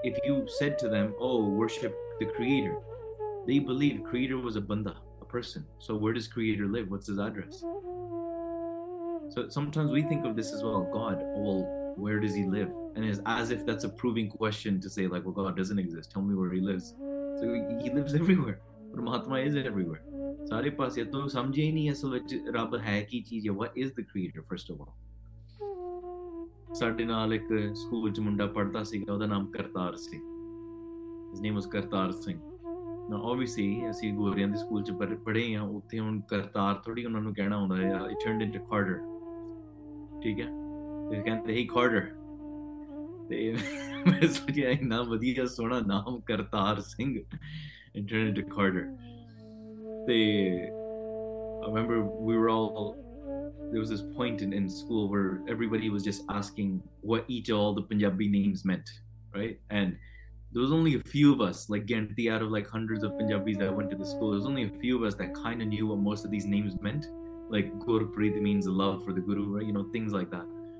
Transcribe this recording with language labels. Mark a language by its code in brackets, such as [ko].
[en] If you said to them, oh, worship the creator, they believed creator was a banda, a person. So where does creator live? What's his address? So sometimes we think of this as well, God, well, where does he live? And it's as if that's a proving question to say like, well, God doesn't exist. Tell me where he lives. So he lives everywhere. Paramatma is everywhere. [pa] ਸਾਰੇ ਪਾਸੇ ਤੋਂ ਸਮਝੇ ਹੀ ਨਹੀਂ ਅਸਲ ਵਿੱਚ ਰੱਬ ਹੈ ਕੀ ਚੀਜ਼ ਹੈ, [en] What is the creator first of all. [pa] ਸਾਡੇ ਨਾਲ ਇੱਕ ਸਕੂਲ 'ਚ ਮੁੰਡਾ ਪੜ੍ਹਦਾ ਸੀਗਾ, ਉਹਦਾ ਨਾਮ ਕਰਤਾਰ ਸੀ, [en] His name is Kartar Singh. [pa] ਨਾ ਓਬਵੀਅਸਲੀ ਅਸੀਂ ਗੋਰੀਆਂ ਦੇ ਸਕੂਲ 'ਚ ਪੜ੍ਹੇ ਹਾਂ, ਉੱਥੇ ਹੁਣ ਕਰਤਾਰ ਥੋੜ੍ਹੀ ਉਹਨਾਂ ਨੂੰ ਕਹਿਣਾ ਆਉਂਦਾ ਆ, [en] it turned into quarter, [pa] ਠੀਕ ਹੈ, ਤੇ ਕਹਿੰਦੇ ਹੀ ਕੁਆਰਟਰ। ਤੇ ਮੈਂ ਸੋਚਿਆ ਇੰਨਾ ਵਧੀਆ ਸੋਹਣਾ ਨਾਮ Kartar Singh, [en] It turned into quarter. They, I remember we were all, there was this point in school where everybody was just asking what each of all the Punjabi names meant, right? And there was only a few of us, like Ganti out of like hundreds of Punjabis that went to the school, there was only a few of us that kind of knew what most of these names meant, like Gurpreet means love for the Guru, right? Things like that.